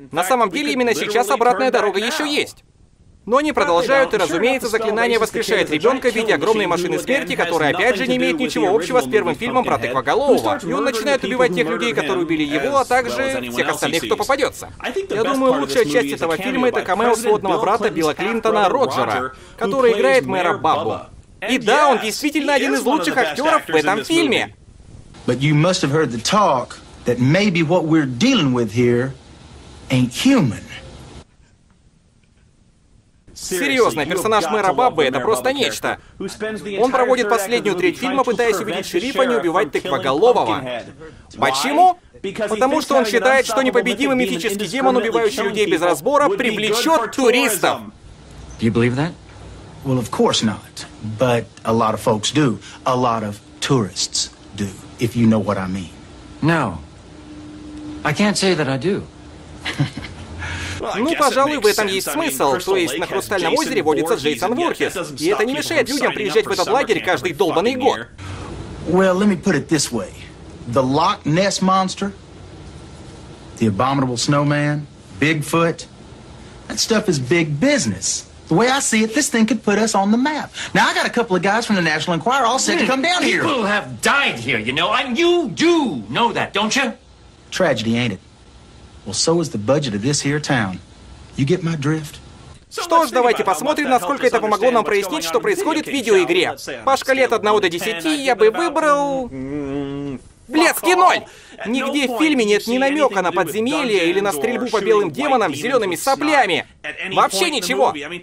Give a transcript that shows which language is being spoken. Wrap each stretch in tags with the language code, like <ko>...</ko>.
<ru>На самом деле, именно сейчас обратная дорога еще есть. Но они продолжают, и, разумеется, заклинание воскрешает ребенка в виде огромной машины смерти, которая, опять же, не имеет ничего общего с первым фильмом про Тыквоголового. И он начинает убивать тех людей, которые убили его, а также всех остальных, кто попадется. Я думаю, лучшая часть этого фильма — это камео сводного брата Билла Клинтона, Роджера, который играет мэра Бабу. И да, он действительно один из лучших актеров в этом фильме.</ru> <en>But you must have heard the talk that maybe what we're dealing with here ain't human.</en> <ru>Серьезно, персонаж мэра Баббы — это просто нечто. Он проводит последнюю треть фильма, пытаясь убедить шерифа не убивать тыквоголового. Почему? Потому что он считает, что непобедимый мифический демон, убивающий людей без разбора, привлечет туристов.</ru> <en>Do you believe that? Well, of course not. But a lot of folks do. A lot of tourists do, if you know what I mean. No. I can't say that I do.</en> <ru>Ну, пожалуй, в этом есть смысл. То есть на Хрустальном озере водится Джейсон Вурхис. И это не мешает людям приезжать в этот лагерь каждый долбанный год.</ru> <en>Well, let me put it this way. The Loch Ness Monster, the Abominable Snowman, Bigfoot, that stuff is big business. The way I see it, this thing could put us on the map. Now, I got a couple of guys from the National Enquirer all set to come down here. People have died here, you know, and you do know that, don't you? Tragedy, ain't it? Well, so is the budget of this here town. You get my drift?</en> <ru>Что ж, давайте посмотрим, насколько это помогло нам прояснить, что происходит в видеоигре. По шкале от 1 до 10 я бы выбрал... Блядский ноль! Нигде в фильме нет ни намека на подземелье или на стрельбу по белым демонам с зелеными соплями. Вообще ничего.</ru>